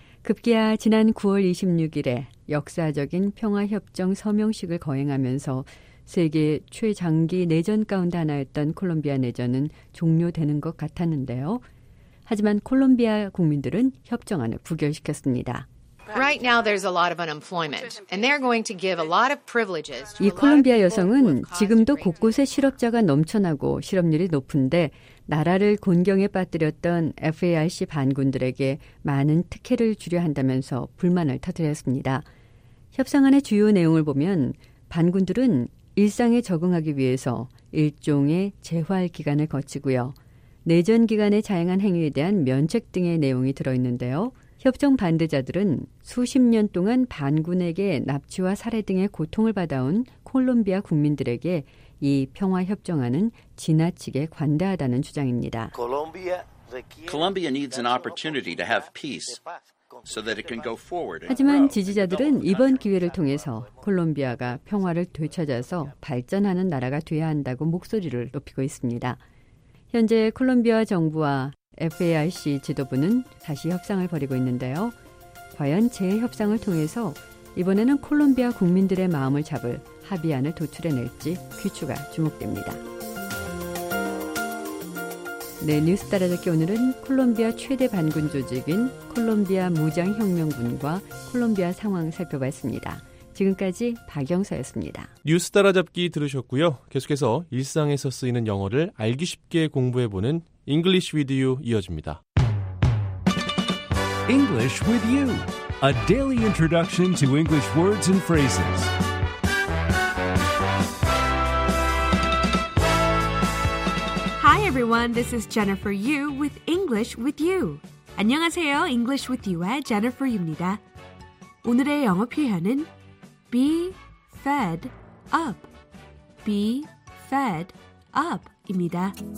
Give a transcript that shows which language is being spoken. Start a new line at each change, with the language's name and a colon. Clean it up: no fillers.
Korean: 급기야 지난 9월 26일에 역사적인 평화협정 서명식을 거행하면서 세계 최장기 내전 가운데 하나였던 콜롬비아 내전은 종료되는 것 같았는데요. 하지만 콜롬비아 국민들은 협정안을 부결시켰습니다.
English: Right now there's a lot of unemployment and they're going to give a lot of privileges.
Korean: 이 콜롬비아 여성은 지금도 곳곳에 실업자가 넘쳐나고 실업률이 높은데 나라를 곤경에 빠뜨렸던 FARC 반군들에게 많은 특혜를 주려 한다면서 불만을 터뜨렸습니다. 협상안의 주요 내용을 보면 반군들은 일상에 적응하기 위해서 일종의 재활 기간을 거치고요. 내전 기간에 자행한 행위에 대한 면책 등의 내용이 들어있는데요. 협정 반대자들은 수십 년 동안 반군에게 납치와 살해 등의 고통을 받아온 콜롬비아 국민들에게 이 평화 협정안은 지나치게 관대하다는 주장입니다.
English: Colombia needs an opportunity to have peace so that it can go forward.
Korean: 하지만 지지자들은 이번 기회를 통해서 콜롬비아가 평화를 되찾아서 발전하는 나라가 돼야 한다고 목소리를 높이고 있습니다. 현재 콜롬비아 정부와 FARC 지도부는 다시 협상을 벌이고 있는데요. 과연 재협상을 통해서 이번에는 콜롬비아 국민들의 마음을 잡을 합의안을 도출해낼지 귀추가 주목됩니다. 네, 뉴스 따라 듣기 오늘은 콜롬비아 최대 반군 조직인 콜롬비아 무장혁명군과 콜롬비아 상황 살펴봤습니다. 지금까지 박영서였습니다. 뉴스 따라잡기 들으셨고요. 계속해서 일상에서 쓰이는 영어를 알기 쉽게 공부해보는 English with you 이어집니다.
English: English with you. A daily introduction to English words and phrases. 여러분, this is Jennifer Yu with English with you.
Korean: 안녕하세요, English with you의 Jennifer Yu입니다. 오늘의 영어 표현은 be fed up, be fed up입니다.